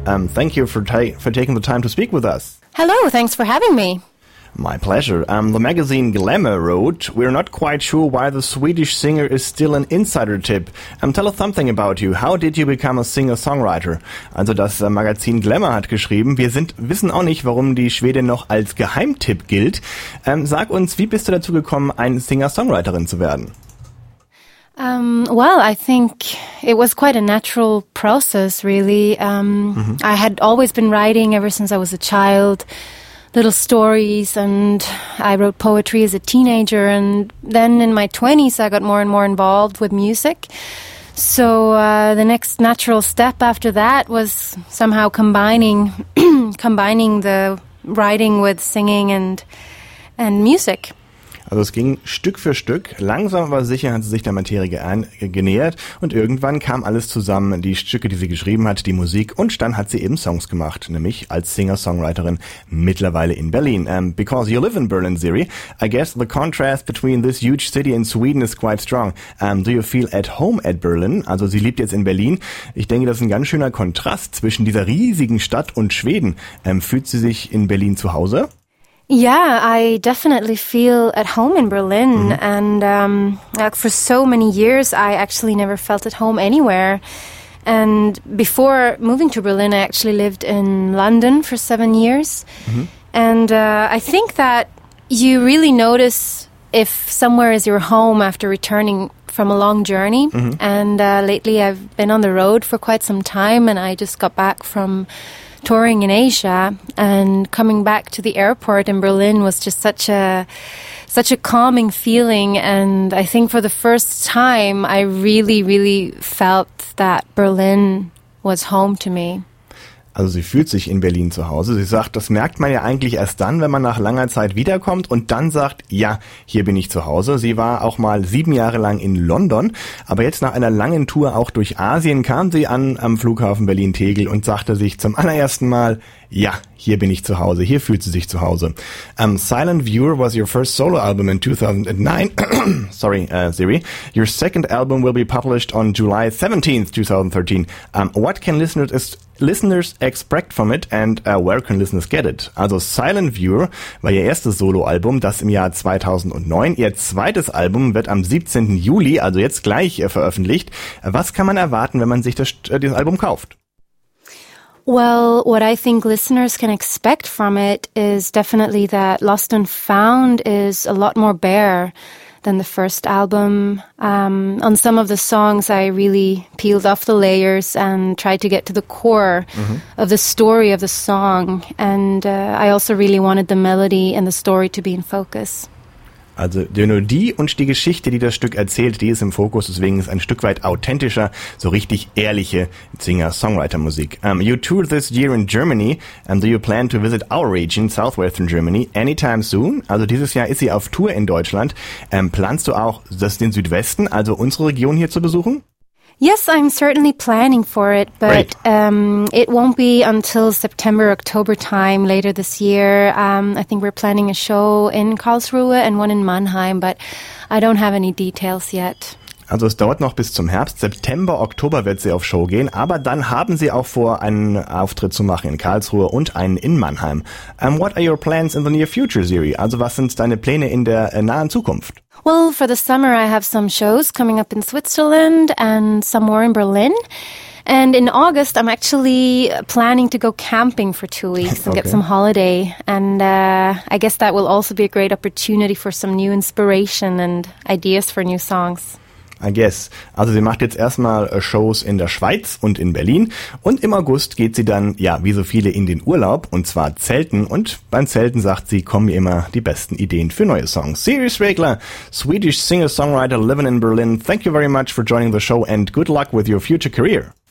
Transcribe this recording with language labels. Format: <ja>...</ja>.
<en>Thank you for taking the time to speak with us. Hello, thanks for having me. My pleasure. The magazine Glamour wrote, "We're not quite sure why the Swedish singer is still an insider tip. Tell us something about you. How did you become a singer-songwriter?"</en> <de>Also das Magazin Glamour hat geschrieben, wir wissen auch nicht, warum die Schwedin noch als Geheimtipp gilt. Sag uns, wie bist du dazu gekommen, eine Singer-Songwriterin zu werden?</de> <en>Well, I think it was quite a natural process, really. I had always been writing ever since I was a child, little stories, and I wrote poetry as a teenager, and then in my 20s I got more and more involved with music. So the next natural step after that was somehow combining the writing with singing and music.</en> <de>Also es ging Stück für Stück, langsam aber sicher hat sie sich der Materie genähert und irgendwann kam alles zusammen, die Stücke, die sie geschrieben hat, die Musik und dann hat sie eben Songs gemacht, nämlich als Singer-Songwriterin mittlerweile in Berlin.</de> <en>Because you live in Berlin, Ziri, I guess the contrast between this huge city and Sweden is quite strong. Do you feel at home at Berlin?</en> <de>Also sie lebt jetzt in Berlin. Ich denke, das ist ein ganz schöner Kontrast zwischen dieser riesigen Stadt und Schweden. Fühlt sie sich in Berlin zu Hause?</de> <en>Yeah, I definitely feel at home in Berlin. Mm-hmm. And for so many years, I actually never felt at home anywhere. And before moving to Berlin, I actually lived in London for 7 years. Mm-hmm. And I think that you really notice if somewhere is your home after returning from a long journey. Mm-hmm. And lately, I've been on the road for quite some time, and I just got back from touring in Asia, and coming back to the airport in Berlin was just such a calming feeling. And I think for the first time, I really, really felt that Berlin was home to me.</en> <de>Also sie fühlt sich in Berlin zu Hause. Sie sagt, das merkt man ja eigentlich erst dann, wenn man nach langer Zeit wiederkommt und dann sagt, ja, hier bin ich zu Hause. Sie war auch mal 7 Jahre lang in London, aber jetzt nach einer langen Tour auch durch Asien kam sie an am Flughafen Berlin-Tegel und sagte sich zum allerersten Mal, ja, hier bin ich zu Hause, hier fühlt sie sich zu Hause.</de> <en>Silent Viewer was your first solo album in 2009. Sorry, Ziri. Your second album will be published on July 17th, 2013. What can listeners expect from it and where can listeners get it?</en> <de>Also Silent Viewer war ihr erstes Soloalbum, das im Jahr 2009. Ihr zweites Album wird am 17. Juli, also jetzt gleich, veröffentlicht. Was kann man erwarten, wenn man sich das Album kauft?</de> <en>Well, what I think listeners can expect from it is definitely that Lost and Found is a lot more bare than the first album. On some of the songs, I really peeled off the layers and tried to get to the core of the story of the song. And I also really wanted the melody and the story to be in focus.</en> <de>Also die Melodie und die Geschichte, die das Stück erzählt, die ist im Fokus, deswegen ist ein Stück weit authentischer, so richtig ehrliche Singer-Songwriter-Musik.</de> <en>You toured this year in Germany, and do you plan to visit our region, southwestern Germany, anytime soon?</en> <de>Also dieses Jahr ist sie auf Tour in Deutschland. Planst du auch, das den Südwesten, also unsere Region hier zu besuchen?</de> <en>Yes, I'm certainly planning for it, but it won't be until September, October time later this year. I think we're planning a show in Karlsruhe and one in Mannheim, but I don't have any details yet.</en> <de>Also es dauert noch bis zum Herbst. September, Oktober wird sie auf Show gehen, aber dann haben sie auch vor, einen Auftritt zu machen in Karlsruhe und einen in Mannheim.</de> <en>What are your plans in the near future, Ziri?</en> <de>Also was sind deine Pläne in der nahen Zukunft?</de> <en>Well, for the summer I have some shows coming up in Switzerland and some more in Berlin. And in August I'm actually planning to go camping for 2 weeks and get some holiday. And I guess that will also be a great opportunity for some new inspiration and ideas for new songs. I guess.</en> <de>Also sie macht jetzt erstmal Shows in der Schweiz und in Berlin und im August geht sie dann, ja, wie so viele in den Urlaub und zwar zelten und beim Zelten sagt sie, kommen immer die besten Ideen für neue Songs.</de> <en>Ziri Svegler, Swedish singer-songwriter living in Berlin, thank you very much for joining the show and good luck with your future career.</en>